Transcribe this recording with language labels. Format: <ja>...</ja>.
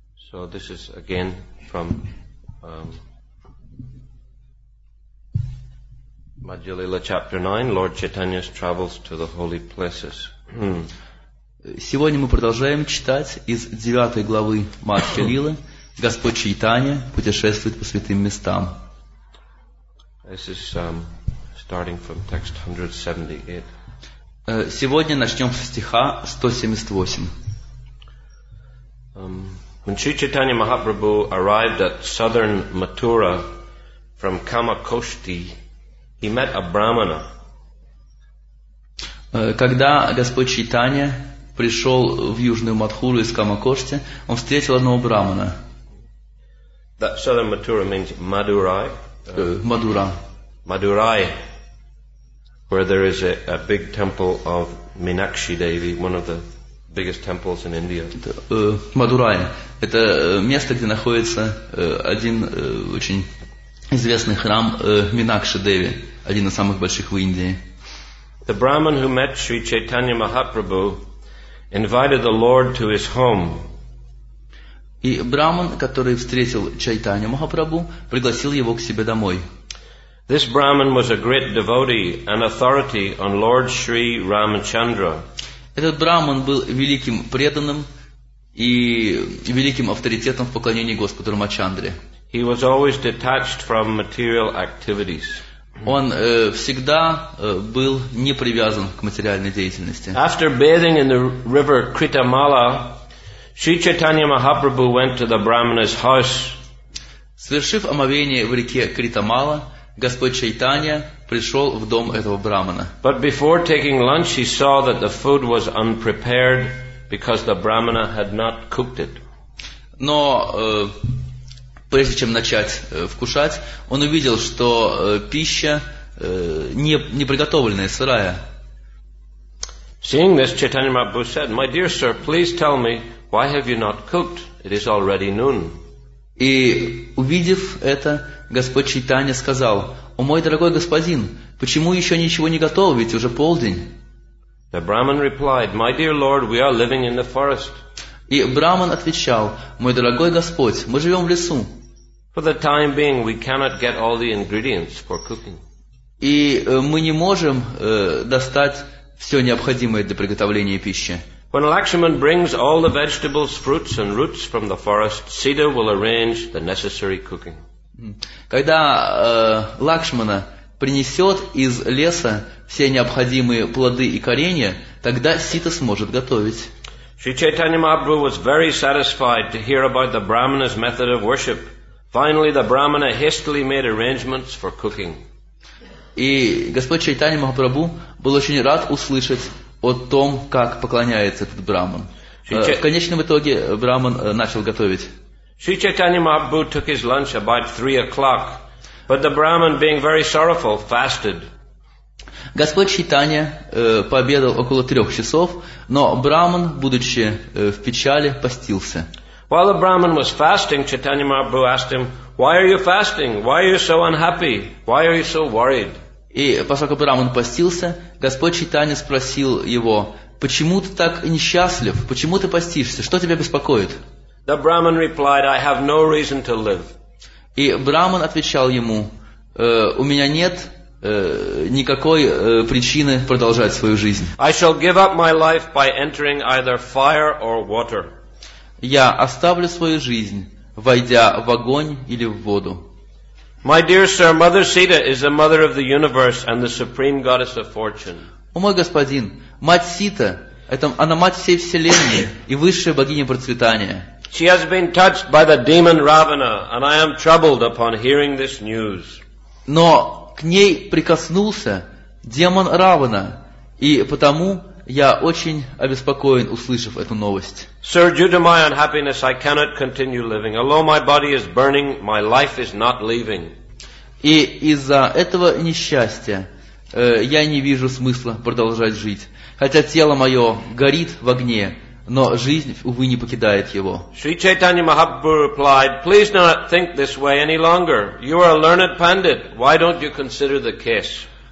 <en>So this is again from Madhyalila chapter 9, Lord Chaitanya's travels to the holy places.</en> <ru>Сегодня мы продолжаем читать из 9 главы Мадхья-лилы. Господь Чайтанья путешествует по святым местам.</ru> <en>This is starting from text 178.</en> <ru>Сегодня начнем со стиха 178.</ru> <en>When Sri Chaitanya Mahaprabhu arrived at southern Mathura from Kamakoshti, he met a brahmana.</en> <ru>Когда Господь Чайтанья пришел в южную Мадхуру из Камакошти, он встретил одного брахмана.</ru> <en>That southern Mathura means Madurai.</en> <ru>Мадура.</ru> <en>Madurai, where there is a big temple of Meenakshi Devi, one of the biggest temples in India.</en> <ru>Мадурай. Это место, где находится один очень известный храм Меенакши Деви, один из самых больших в Индии.</ru> <en>The brahman who met Sri Chaitanya Mahaprabhu invited the Lord to his home.</en> <ru>И брахман, который встретил Чайтанью Махапрабху, пригласил его к себе домой.</ru> <en>This brahman was a great devotee and authority on Lord Sri Ramachandra.</en> <ru>Этот брахман был великим преданным и великим авторитетом в поклонении Господу Рамачандре.</ru> <en>He was always detached from material activities.</en> <ru>Он всегда был не привязан к материальной деятельности.</ru> <en>After bathing in the river Kritamala, Sri Chaitanya Mahaprabhu went to the brahmana's house.</en> <ru>Совершив омовение в реке Критамала, Господь Чайтанья пришел в дом этого брахмана.</ru> <en>But before taking lunch, he saw that the food was unprepared because the brahmana had not cooked it.</en> <ru>Но прежде чем начать вкушать, он увидел, что пища не приготовленная, сырая.</ru> <en>Seeing this, Chaitanya Mahaprabhu said, "My dear sir, please tell me why have you not cooked? It is already noon."</en> <ru>И увидев это, Господь Чайтанья сказал: "О мой дорогой господин, почему еще ничего не готово, ведь уже полдень?"</ru> <en>The brahman replied, "My dear lord, we are living in the forest."</en> <ru>И брахман отвечал: "Мой дорогой господь, мы живем в лесу."</ru> <en>For the time being, we cannot get all the ingredients for cooking.</en> <ru>И мы не можем достать все необходимое для приготовления пищи.</ru> <en>When Lakshman brings all the vegetables, fruits, and roots from the forest, Sita will arrange the necessary cooking.</en> <ru>Когда Лакшмана принесет из леса все необходимые плоды и коренья, тогда Сита сможет готовить.</ru> <en>Sri Chaitanya Mahaprabhu was very satisfied to hear about the brahmana's method of worship. Finally, the brahmana hastily made arrangements for cooking.</en> <ru>И Господь Чайтанья Махапрабху был очень рад услышать о том, как поклоняется этот брахман. В конечном итоге брахман начал готовить.</ru> <en>Sri Chaitanya Mahaprabhu took his lunch about 3 o'clock, but the brahman, being very sorrowful, fasted.</en> <ru>Господь Чайтанья пообедал около 3 часов, но брахман, будучи в печали, постился.</ru> <en>While the brahman was fasting, Chaitanya Mahaprabhu asked him, "Why are you fasting? Why are you so unhappy? Why are you so worried?"</en> <ru>И поскольку брахман постился, Господь Чайтанья спросил его: "Почему ты так несчастлив? Почему ты постишься? Что тебя беспокоит?"</ru> <en>The brahman replied, "I have no reason to live."</en> <ru>И брахман отвечал ему: "У меня нет никакой причины продолжать свою жизнь.</ru> <en>I shall give up my life by entering either fire or water."</en> <ru>Я оставлю свою жизнь, войдя в огонь или в воду.</ru> <en>My dear sir, Mother Sita is the mother of the universe and the supreme goddess of fortune.</en> <ru>О мой господин, мать Сита, она мать всей вселенной и высшая богиня процветания.</ru> <en>She has been touched by the demon Ravana, and I am troubled upon hearing this news.</en> <ru>Но к ней прикоснулся демон Равана, и потому я очень обеспокоен, услышав эту новость.</ru> <en>Sir, due to my unhappiness, I cannot continue living. Although my body is burning, my life is not leaving.</en> <ru>И из-за этого несчастья я не вижу смысла продолжать жить. Хотя тело мое горит в огне, но жизнь, увы, не покидает его.</ru> <en>Sri Chaitanya Mahaprabhu replied, "Please not think this way any longer. You are a learned pandit. Why don't you consider the case?"</en>